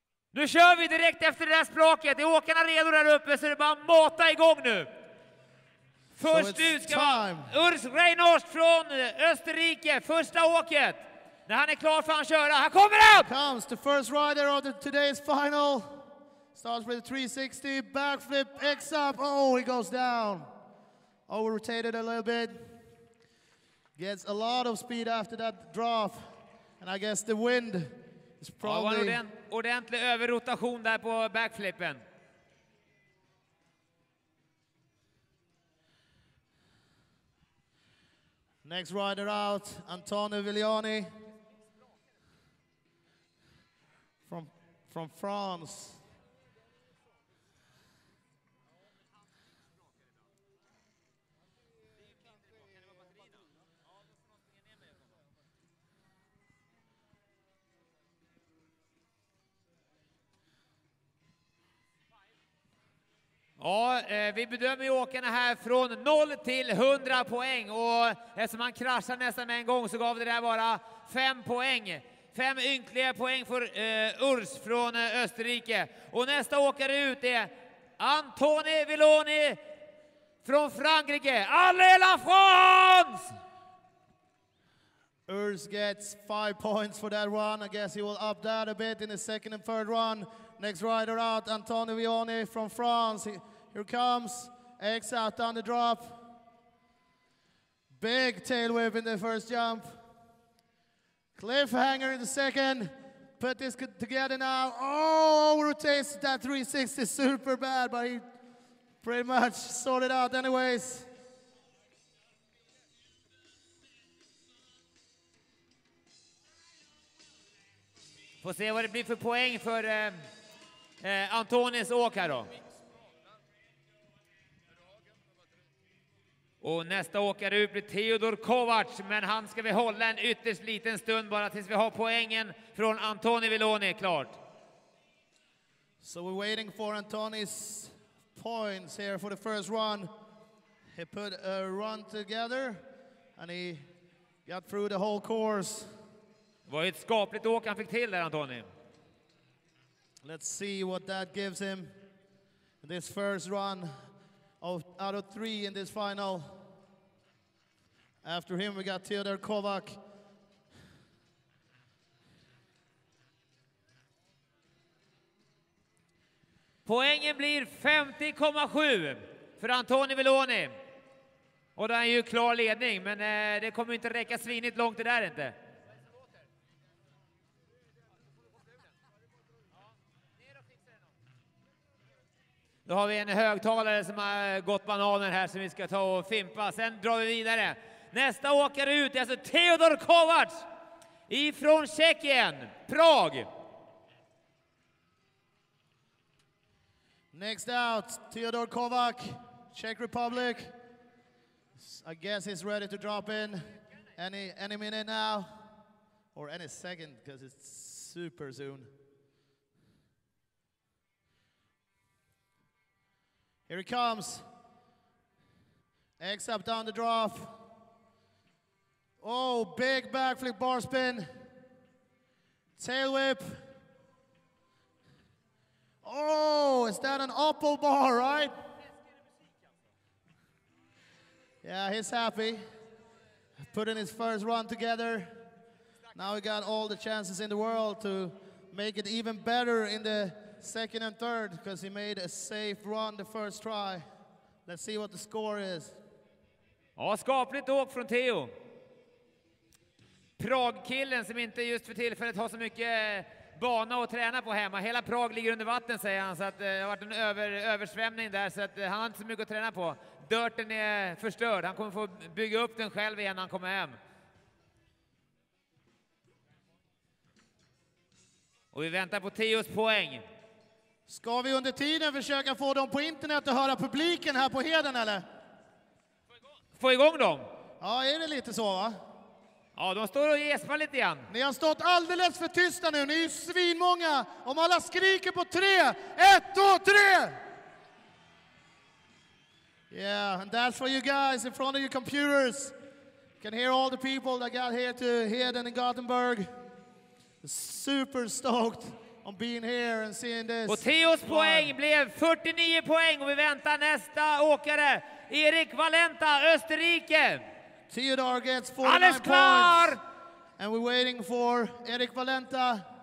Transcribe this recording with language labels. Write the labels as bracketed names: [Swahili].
[Swedish] Nu kör vi direkt efter det där språket. Är åkarna redo där uppe, så det är bara mata igång nu. Först ut ska vara Urs Reinhardt från Österrike, första åket. När han är klar för att köra, han kommer upp! [English] Comes the first rider of the today's final. Starts with a 360, backflip, X up, oh he goes down. Overrotated a little bit. Gets a lot of speed after that drop. And I guess the wind is probably... [Swedish] Ja, en ordentlig överrotation där på backflippen. [English] Next rider out, Antonio Viglioni. From France. [Swedish] Ja, vi bedömer åkarna här från 0 till 100 poäng. Och eftersom han kraschade nästan med en gång så gav det där bara 5 poäng. 5 ynkliga poäng för Urs från Österrike. Och nästa åkare ut är Anthony Viglioni från Frankrike. [French] Allé la France! [English] Urs gets 5 points for that run. I guess he will up that a bit in the second and third run. Next rider out, Anthony Viglioni from France. Here comes. X out on the drop. Big tail whip in the first jump. Cliffhanger in the second. Put this together now. Oh, rotates that 360 super bad, but he pretty much sorted out anyways. [Swedish] Får se vad det blir för poäng för Antonis åk här då. Och nästa åkare ut blir Theodor Kovacs, men han ska vi hålla en ytterst liten stund bara tills vi har poängen från Antonio Viglioni klart. [English] So we're waiting for Antonis points here for the first run. He put a run together and he got through the whole course. [Swedish] Det var ett skapligt åk han fick till där, Antoni. [English] Let's see what that gives him in this first run. Out of 3 in this final. After him we got Theodor Kovac. [Swedish] Poängen blir 50,7 för Antonio Viglioni. Och det är ju klar ledning, men det kommer inte räcka svinigt långt det där inte. Då har vi en högtalare som har gått bananen här som vi ska ta och fimpa. Sen drar vi vidare. Nästa åkare ut är alltså Theodor Kovac ifrån Tjeckien, Prag. [English] Next out, Theodor Kovac, Czech Republic. I guess he's ready to drop in any minute now. Or any second, because it's super soon. Here he comes. X up down the drop. Oh, big backflip bar spin. Tail whip. Oh, is that an apple bar, right? Yeah, he's happy. Putting his first run together. Now he got all the chances in the world to make it even better in the second and third, because he made a safe run the first try. Let's see what the score is. [Swedish] Ja, skapligt åk från Theo. Pragkillen som inte just för tillfället har så mycket bana att träna på hemma. Hela Prag ligger under vatten, säger han, så att det har varit en översvämning där, så att han har inte så mycket att träna på. Dörten är förstörd. Han kommer få bygga upp den själv igen när han kommer hem. Och vi väntar på Theos poäng. Ska vi under tiden försöka få dem på internet att höra publiken här på Heden, eller? Få igång dem? Ja, är det lite så, va? Ja, de står och gespar lite grann. Ni har stått alldeles för tysta nu. Ni är ju svinmånga. Om alla skriker på 3, 1, 2, 3! [English] Yeah, and that's for you guys in front of your computers. You can hear all the people that got here to Heden in Gothenburg. Super stoked. on being here and seeing this. [Swedish] Och Theos poäng blev 49 poäng och vi väntar nästa åkare. Erik Valenta, Österrike. [English] Theodore gets 49 points. [Swedish] Klar. [English] And we're waiting for Erik Valenta.